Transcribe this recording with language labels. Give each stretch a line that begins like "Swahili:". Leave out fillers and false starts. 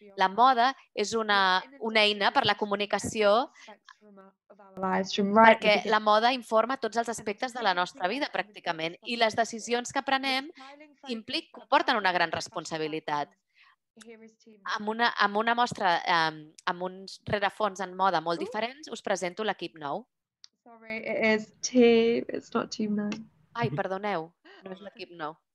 Catalan: La moda és una eina per la comunicació, perquè la moda informa tots els aspectes de la nostra vida, pràcticament, i les decisions que prenem comporten una gran responsabilitat. Amb una mostra, amb uns rerefons en moda molt diferents, us presento l'equip nou.
English: Sorry, it is team, it's not team nine.
Catalan: Ai, perdoneu, no és l'equip nou.